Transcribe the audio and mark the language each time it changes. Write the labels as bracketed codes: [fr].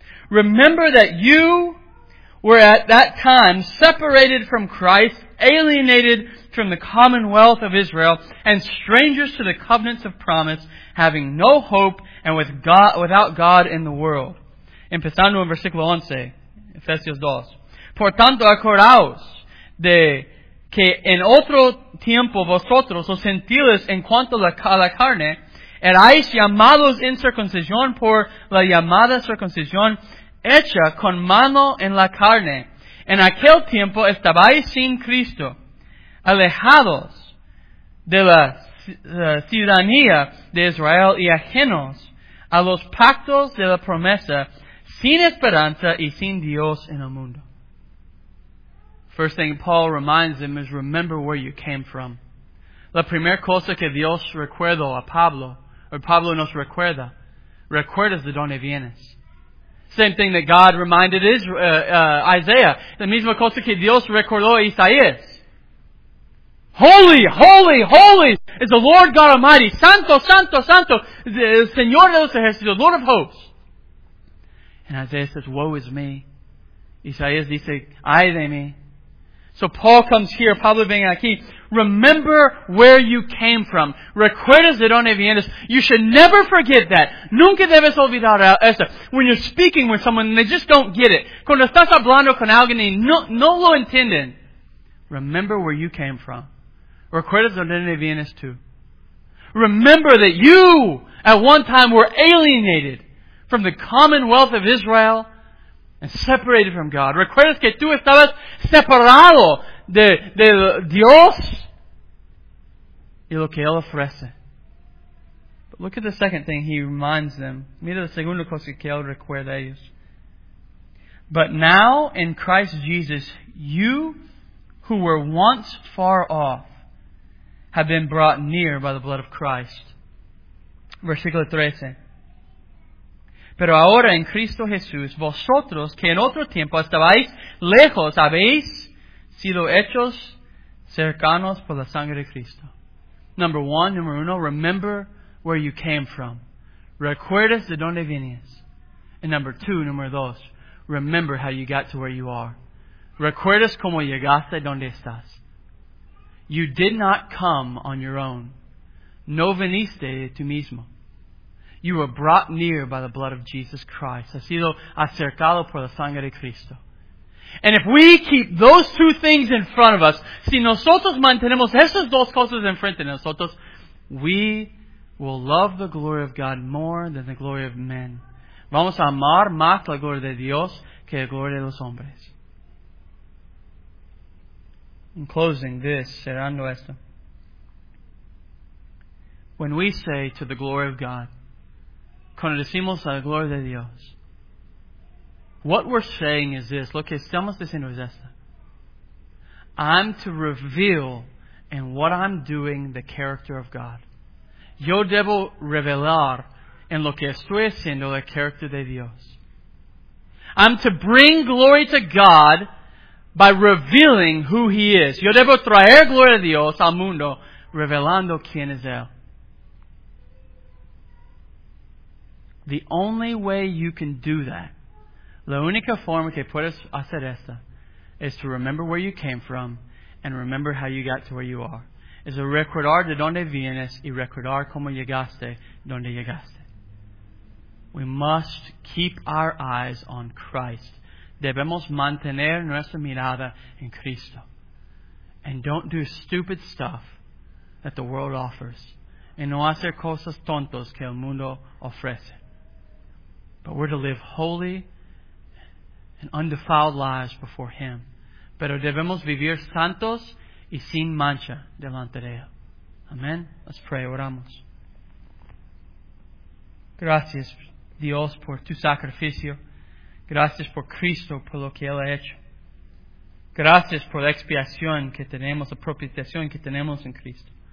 [en] Remember that you were at that time separated from Christ, alienated from the commonwealth of Israel, and strangers to the covenants of promise, having no hope and without God in the world. [es] Empezando en versículo 11, Efesios 2. Por tanto, acordaos de que en otro tiempo vosotros, los gentiles en cuanto a la carne, erais llamados en circuncisión por la llamada circuncisión hecha con mano en la carne. En aquel tiempo estabais sin Cristo, alejados de la ciudadanía de Israel y ajenos a los pactos de la promesa, sin esperanza y sin Dios en el mundo. [en] First thing Paul reminds them is remember where you came from. [es] La primera cosa que Dios recuerda a Pablo, or Pablo nos recuerda, recuerdas de donde vienes. [en] Same thing that God reminded Isaiah. [es] La misma cosa que Dios recordó a Isaías. [en] Holy, holy, holy is the Lord God Almighty. [es] Santo, santo, santo, el Señor de los ejércitos, [en] Lord of hosts. And Isaiah says, woe is me. [es] Isaías dice, ay de mí. [en] So Paul comes here, [es] Pablo viene aquí. [en] Remember where you came from. [es] Recuerdas de donde vienes. [en] You should never forget that. [es] Nunca debes olvidar eso. [en] When you're speaking with someone and they just don't get it. [es] Cuando estás hablando con alguien y no lo entienden. [en] Remember where you came from. [es] Recuerdas de donde vienes tú. [en] Remember that you, at one time, were alienated from the commonwealth of Israel and separated from God. [es] Recuerdas que tú estabas separado de Dios y lo que Él ofrece. [en] But look at the second thing He reminds them. [es] Mira la segunda cosa que Él recuerda a ellos. [en] But now, in Christ Jesus, you who were once far off have been brought near by the blood of Christ. [es] Versículo 13. Pero ahora en Cristo Jesús, vosotros que en otro tiempo estabais lejos, habéis sido hechos cercanos por la sangre de Cristo. [en] Number uno, remember where you came from. [es] Recuerdas de donde vienes. [en] And number dos, remember how you got to where you are. [es] Recuerdas cómo llegaste donde estás. [en] You did not come on your own. [es] No viniste de tu mismo. [en] You were brought near by the blood of Jesus Christ. [es] Has sido acercado por la sangre de Cristo. [en] And if we keep those two things in front of us, [es] si nosotros mantenemos esas dos cosas en frente de nosotros, [en] we will love the glory of God more than the glory of men. [es] Vamos a amar más la gloria de Dios que la gloria de los hombres. [en] In closing this, [es] cerrando esto. [en] When we say to the glory of God, [es] cuando decimos a la gloria de Dios, [en] what we're saying is this, [es] lo que estamos diciendo es esto. [en] I'm to reveal in what I'm doing the character of God. [es] Yo debo revelar en lo que estoy haciendo el carácter de Dios. [en] I'm to bring glory to God by revealing who He is. [es] Yo debo traer gloria a Dios al mundo revelando quién es Él. [en] The only way you can do that, [es] la única forma que puedes hacer esta, [en] is to remember where you came from and remember how you got to where you are. [es] Es a recordar de donde vienes y recordar cómo llegaste donde llegaste. [en] We must keep our eyes on Christ. [es] Debemos mantener nuestra mirada en Cristo. [en] And don't do stupid stuff that the world offers. [es] Y no hacer cosas tontas que el mundo ofrece. [en] But we're to live holy and undefiled lives before Him. [es] Pero debemos vivir santos y sin mancha delante de Él. [en] Amen. Let's pray. [es] Oramos. Gracias, Dios, por tu sacrificio. Gracias por Cristo, por lo que Él ha hecho. Gracias por la expiación que tenemos, la propiciación que tenemos en Cristo.